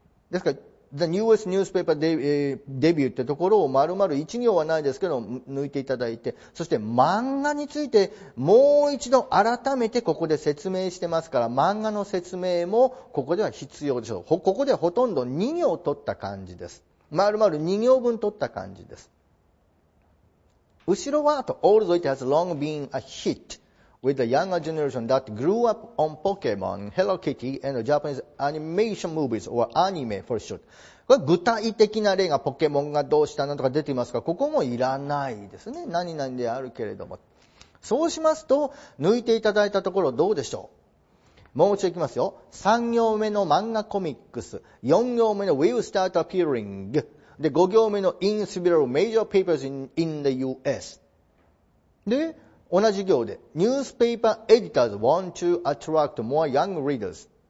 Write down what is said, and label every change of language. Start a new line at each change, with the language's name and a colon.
Japanese: ですから
English: The newest newspaper debut
Japanese: ってところを丸々一行はないですけど抜いていただいて、そして漫画についてもう一度改めてここで説明してますから、漫画の説明もここでは必要でしょう。ここでほとんど2行取った感じです。丸々2行分取った感じです。後ろはあと
English: Although it has long been a hit with the younger generation that grew up on Pokemon, Hello Kitty and Japanese animation movies or anime for short.
Japanese: これ具体的な例がポケモンがどうしたなとか出ていますが、ここもいらないですね。何々であるけれども、そうしますと抜いていただいたところどうでしょう。もう一度いきますよ。3行目の漫画コミックス、4行目の
English: We'll start appearing
Japanese: で、5行目の
English: In several major papers in the US
Japanese: で、同じ行で
English: Newspaper editors want to attract more young readers。